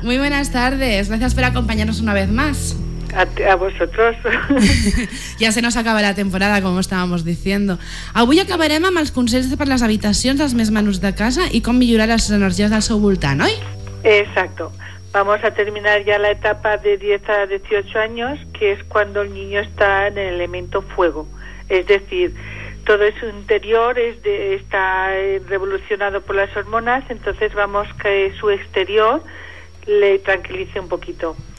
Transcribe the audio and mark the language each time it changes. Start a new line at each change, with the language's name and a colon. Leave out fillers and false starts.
Spanish: Muy buenas tardes, gracias por acompañarnos una vez más. A vosotros. Ja se nos acaba la temporada, com estàvamos diciendo.
Catalan: Avui acabarem amb els consells per les habitacions dels més menuts de casa i com millorar les energies del seu voltant, oi?
Spanish: Exacto. Vamos a terminar ya la etapa de 10 a 18 años, que es cuando el niño está en el elemento fuego. Es decir, todo su interior está revolucionado por las hormonas, entonces vamos que su exterior le tranquilice un poquito.